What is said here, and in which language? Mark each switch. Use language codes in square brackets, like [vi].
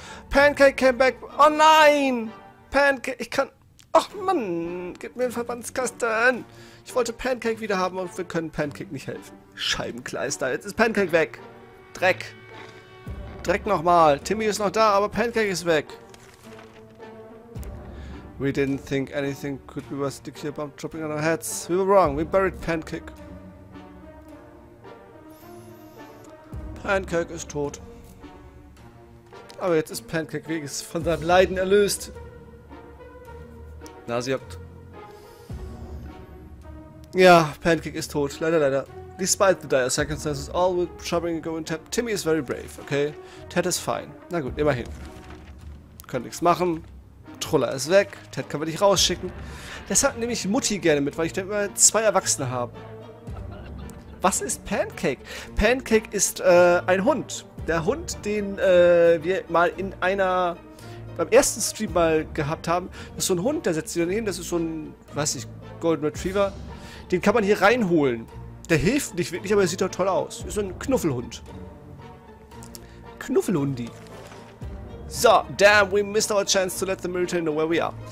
[en] Pancake came back. [de] Oh nein! Pancake, ich kann... Ach Mann, gib mir einen Verbandskasten. Ich wollte Pancake wieder haben, aber wir können Pancake nicht helfen. Scheibenkleister, jetzt ist Pancake weg. Dreck nochmal. Timmy ist noch da, aber Pancake ist weg. [en] We didn't think anything could be worse than the kill bomb dropping on our heads. We were wrong, we buried Pancake. [de] Pancake ist tot. Aber jetzt ist Pancake wenigstens von seinem Leiden erlöst. Nase juckt. Ja, Pancake ist tot. Leider. [en] Despite the dire circumstances, all with shoving and go and tap. Timmy is very brave, okay? Ted is fine. [de] Na gut, immerhin. Können nichts machen. Troller ist weg. Ted kann wir nicht rausschicken. Deshalb nehme ich Mutti gerne mit, weil ich da immer zwei Erwachsene habe. Was ist Pancake? Pancake ist ein Hund. Der Hund, den wir mal in einer... beim ersten Stream mal gehabt haben, das ist so ein Hund, der setzt sich dann hin, das ist so ein, weiß ich, Golden Retriever. Den kann man hier reinholen. Der hilft nicht wirklich, aber er sieht doch toll aus. Ist so ein Knuffelhund. Knuffelhundi. [en] So, damn, we missed our chance to let the military know where we are.